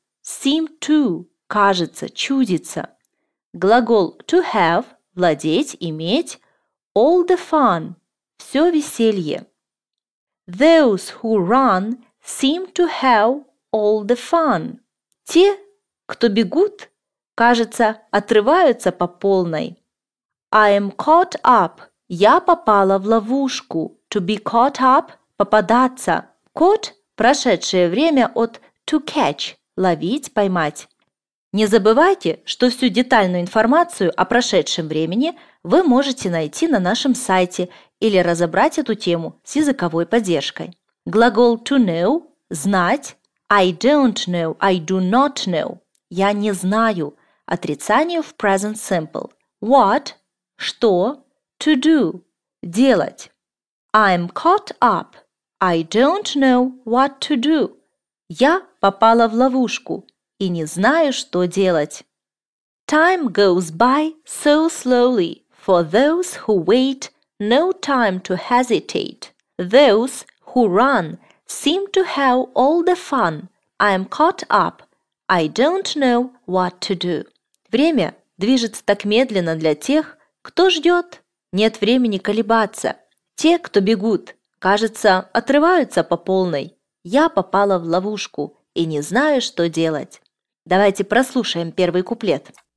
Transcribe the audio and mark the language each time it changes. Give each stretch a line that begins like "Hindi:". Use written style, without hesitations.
English: Seem to
Russian: – кажется, чудится. Глагол
English: to have
Russian: – владеть, иметь.
English: All the fun –
Russian: все веселье.
English: Those who run seem to have all the fun.
Russian: Те, кто бегут, кажется, отрываются по полной.
English: I am caught up.
Russian: Я попала в ловушку.
English: To be caught up – попадаться.
Russian: Caught – прошедшее время от
English: to catch
Russian: – ловить, поймать. Не забывайте, что всю детальную информацию о прошедшем времени вы можете найти на нашем сайте или разобрать эту тему с языковой поддержкой.
English: Глагол to know – знать. I don't know, I do not know.
Russian: Я не знаю. Отрицание в present simple.
English: What?
Russian: Что?
English: To do. Делать. I'm caught up. I don't know what to do.
Russian: Я попала в ловушку и не знаю, что делать.
English: Time goes by so slowly. For those who wait, no time to hesitate. Those who run seem to have all the fun. I'm caught up. I don't know what to do.
Russian: Время движется так медленно для тех, кто ждет. Нет времени колебаться. Те, кто бегут, кажется, отрываются по полной. Я попала в ловушку и не знаю, что делать. Давайте прослушаем первый куплет.